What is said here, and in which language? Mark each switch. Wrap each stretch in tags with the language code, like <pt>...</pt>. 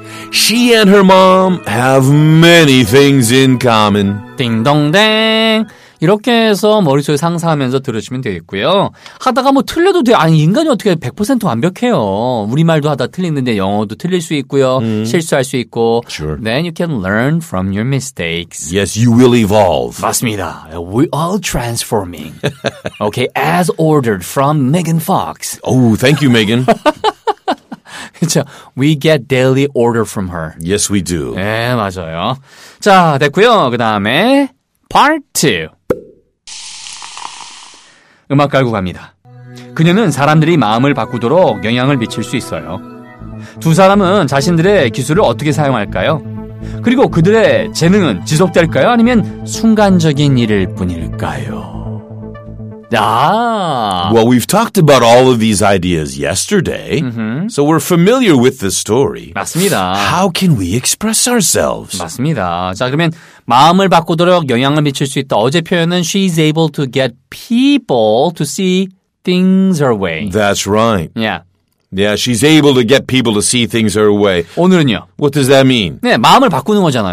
<en>She and her mom have many things in common. 띵동댕.</en> <ko>이렇게 해서 머릿속에 상상하면서 들으시면 되겠고요. 하다가 뭐 틀려도 돼요. 아니, 인간이 어떻게 100% 완벽해요. 우리말도 하다 틀리는데 영어도 틀릴 수 있고요. 실수할 수 있고.</ko> <en>Sure. Then you can learn from your mistakes. Yes, you will evolve.</en> <ko>맞습니다.</ko> <en>We all transforming. Okay, as ordered from Megan Fox. Oh, thank you, Megan. We get daily order from her. Yes, we do.</en> <ko>네, 맞아요. 자, 됐고요. 그 다음에 Part 2. 음악 깔고 갑니다. 그녀는 사람들이 마음을 바꾸도록 영향을 미칠 수 있어요. 두 사람은 자신들의 기술을 어떻게 사용할까요? 그리고 그들의 재능은 지속될까요? 아니면 순간적인 일일 뿐일까요? 아.</ko> <en>Well, we've talked about all of these ideas yesterday, so we're familiar with the story.</en> <ko>맞습니다.</ko> <en>How can we express ourselves?</en> <ko>맞습니다. 자, 그러면 마음을 바꾸도록 영향을 미칠 수 있다. 어제 표현은</ko> <en>she's able to get people to see things her way. That's right. Yeah. Yeah, she's able to get people to see things her way.</en> <ko>오늘은요.</ko> <en>What does that mean?</en> <ko>네, 마음을 바꾸는 거잖아요.</ko>